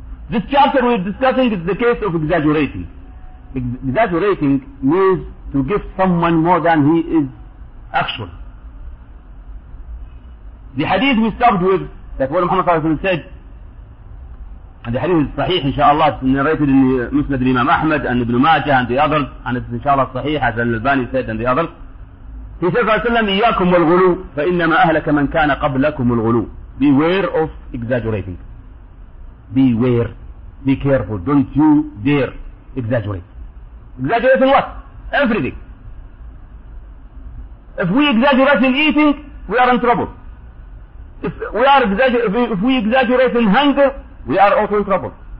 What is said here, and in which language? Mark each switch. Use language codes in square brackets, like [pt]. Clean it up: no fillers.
[en] This chapter we're discussing is the case of exaggerating. Exaggerating means to give someone more than he is actual. The hadith we stopped with, that what Muhammad sallallahu alayhi wa sallam said, and the hadith is sahih, inshaAllah, it's narrated in the Musnad Imam Ahmad and Ibn Majah and the others, and it's inshaAllah sahih, as Al-Albani said and the others. He said, sallallahu alayhi wa sallam, [ar] إِيَّاكُمْ وَالْغُلُوْ فَإِنَّمَا أَهْلَكَ مَنْ كَانَ قَبْلَكُمُ الْغُلُوْ. [en] Beware of exaggerating. Beware. Be careful. Don't you dare exaggerate. Exaggerating what? Everything. If we exaggerate in eating, we are in trouble. If we exaggerate in hunger, we are also in trouble.